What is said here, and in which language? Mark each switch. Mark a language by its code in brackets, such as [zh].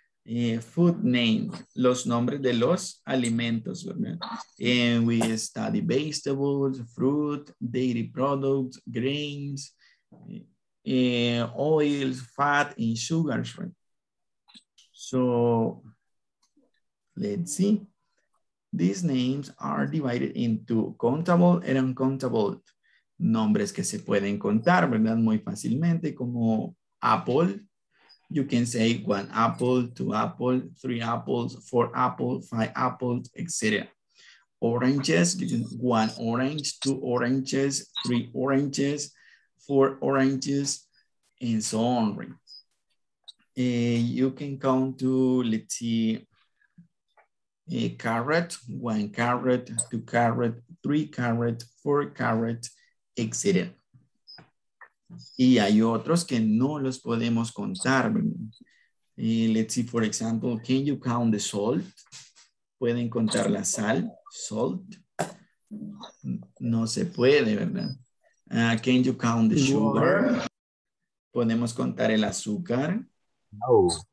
[en] Food names, [es] los nombres de los alimentos, ¿verdad? [en] And we study vegetables, fruit, dairy products, grains, oils, fat, and sugars, right? So, let's see. These names are divided into countable and uncountable. [es] Nombres que se pueden contar, ¿verdad? Muy fácilmente, como apple. [en] You can say one apple, two apples, three apples, four apples, five apples, etc. Oranges, one orange, two oranges, three oranges, four oranges, and so on. You can count to, let's see, a carrot, one carrot, two carrot, three carrot, four carrot, etc. [es] Y hay otros que no los podemos contar. [en] Let's see, for example, can you count the salt? [es] ¿Pueden contar la sal? Salt. No se puede, ¿verdad? [en] Can you count the sugar? [es] ¿Podemos contar el azúcar? [en] No.